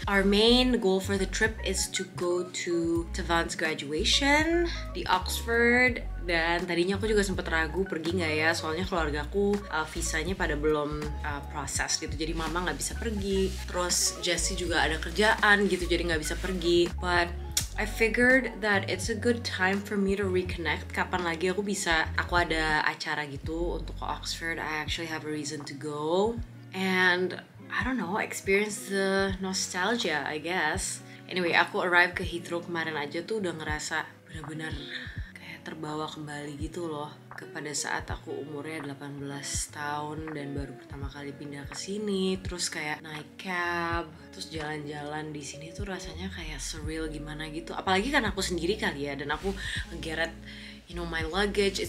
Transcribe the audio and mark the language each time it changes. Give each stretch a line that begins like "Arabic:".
English: Our main goal for the trip is to go to Tavan's graduation di Oxford.
Indonesian: Dan tadinya aku juga sempet ragu pergi nggak ya, soalnya keluargaku visanya pada belum proses gitu, jadi mama nggak bisa pergi, terus Jessie juga ada kerjaan gitu, jadi nggak bisa pergi.
English: But I figured that it's a good time for me to reconnect.
Indonesian: Kapan lagi aku bisa, aku ada acara gitu untuk ke Oxford,
English: I actually have a reason to go. And I don't know, experience the nostalgia I guess.
Indonesian: Anyway, aku arrive ke Heathrow kemarin aja tuh udah ngerasa benar-benar terbawa kembali gitu loh, kepada saat aku umurnya 18 tahun dan baru pertama kali pindah ke sini, terus kayak naik cab, terus jalan-jalan di sini tuh rasanya kayak surreal gimana gitu, apalagi kan aku sendiri kali ya, dan aku ngegeret,
English: you know, my luggage.